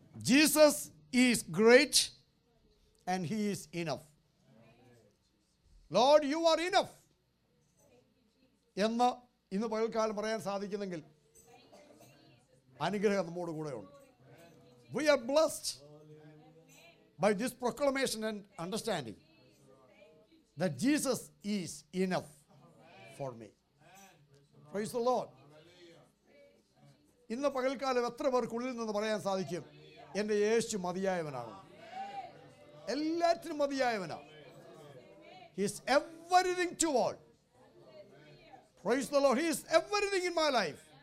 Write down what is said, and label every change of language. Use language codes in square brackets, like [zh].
[en] Jesus is great and he is enough. Lord, you are enough. [ml] എന്ന് ഇന്ന് പകൽക്കാലം പറയാൻ സാധിക്കുന്നെങ്കിൽ അനുഗ്രഹം നമ്മോട് കൂടെയുണ്ട്. [en] We are blessed by this proclamation and understanding that Jesus is enough for me. Praise the Lord. [ml] ഇന്ന് പകൽക്കാലം എത്ര പേർക്കുള്ളിൽ നിന്ന് പറയാൻ സാധിക്കും, എൻ്റെ യേശു മതിയായവനാണ്, എല്ലാത്തിനും മതിയായവനാണ്. [en] He is everything to all. Praise the Lord. He is everything in my life.